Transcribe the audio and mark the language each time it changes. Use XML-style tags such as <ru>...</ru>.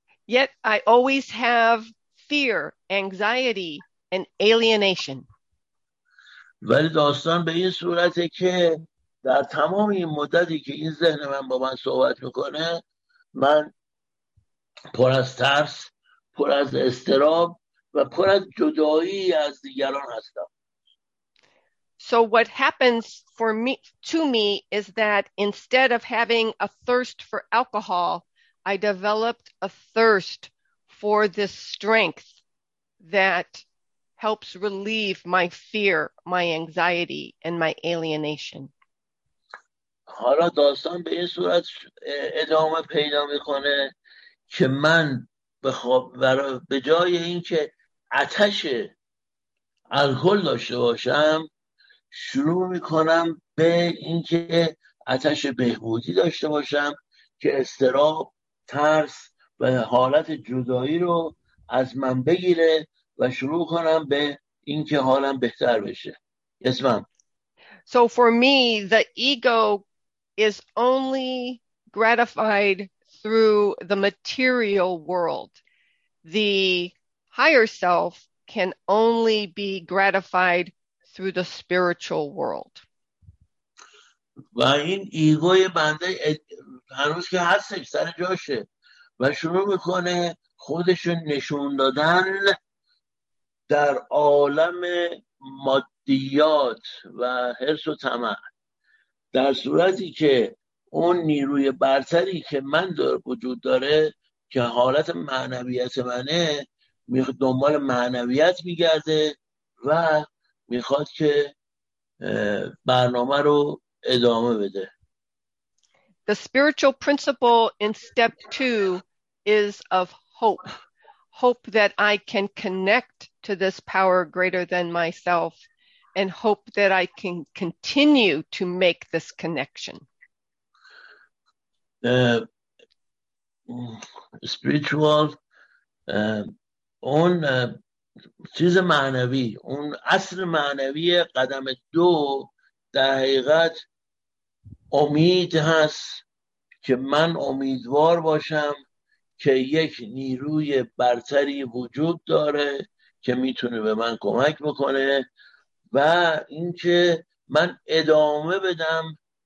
<en>Yet I always have fear, anxiety and alienation.</en> <fa>ولی داستان به این صورته که در تمام این مدتی که این ذهن من با من صحبت میکنه، من پر از ترس، پر از استراب و پر از جدایی از دیگران هستم.</fa> <en>So what happens for me to me is that instead of having a thirst for alcohol, I developed a thirst for this strength that helps relieve my fear, my anxiety, and my alienation.</en> <fa>حالا داستان به این صورت ادامه پیدا میکنه که من به جای اینکه آتش الکل داشته باشم، شروع میکنم به اینکه آتش بهبودی داشته باشم که استراب، ترس و حالت جدایی رو از من بگیره و شروع کنم به اینکه حالم بهتر بشه.</fa> <en>Yes, ma'am. So for me, the ego is only gratified through the material world. The higher self can only be gratified through the spiritual world.</en> <fa>و این ایگوی بنده هنوز که هستش سر جاشه و شروع میکنه خودشو نشون دادن در عالم مادیات و حرص و طمع، در صورتی که اون نیروی برتری که من در وجود داره که حالت معنویت منه دنبال معنویت میگرده و میخواد که برنامه رو ادامه بده.</fa> <en>The spiritual principle in step two is of hope. Hope that I can connect to this power greater than myself and hope that I can continue to make this connection.</en> <fa>Spiritual, اون چیز معنوی، اون اصل معنوی قدم دو در حقیقت امید هست که من امیدوار باشم که یک نیروی برتری وجود داره که میتونه به من کمک بکنه و اینکه من ادامه بدم</fa>